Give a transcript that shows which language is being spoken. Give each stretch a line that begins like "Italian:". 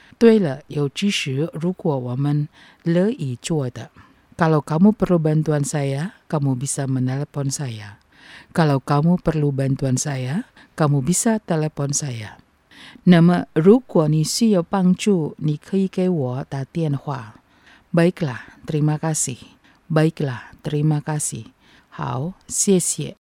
Chinese: 对了，尤其是如果我们乐意做的。
Malay: Kalau kamu perlu bantuan saya, kamu bisa menelepon saya. Kalau kamu perlu bantuan saya, kamu bisa telepon saya.
Chinese: 那么，如果你需要帮助，你可以给我打电话。
Malay: Baiklah, terima kasih. Baiklah, terima kasih.
Chinese: 好，谢谢。